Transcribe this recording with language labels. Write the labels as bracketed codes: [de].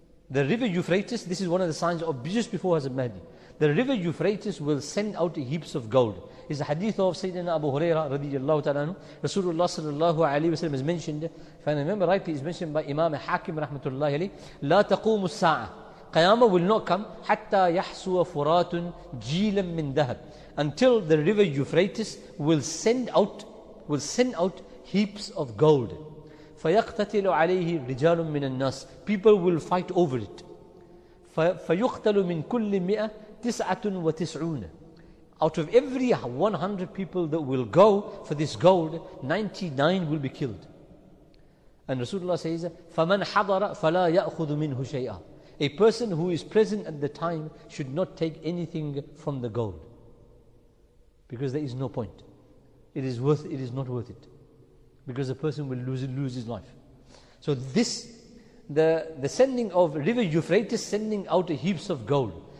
[en] The river Euphrates, this is one of the signs of just before Hazrat Mahdi. The river Euphrates will send out heaps of gold. It's a hadith of Sayyidina Abu Huraira radiallahu ta'ala. Rasulullah sallallahu alayhi wa sallam is mentioned, if I remember rightly, is mentioned by Imam Hakim rahmatullahi alayhi, [ar] لا تقوم الساعة. [en] Qiyamah will not come [ar] حتى يحسو فرات جيلا من ذهب. [en] Until the river Euphrates will send out heaps of gold. [ar] فيقتتل عليه رجال من الناس. [en] People will fight over it. [ar] فيقتل من كل مئة تسعة وتسعون. [en] Out of every 100 people that will go for this gold, 99 will be killed. And Rasulullah says, [ar] فَمَنْ حَضَرَ فَلَا يَأْخُذُ مِنْهُ شَيْئًا. [en] A person who is present at the time should not take anything from the gold, because there is no point. It is not worth it. Because a person will lose his life. So this, the sending of river Euphrates, sending out heaps of gold.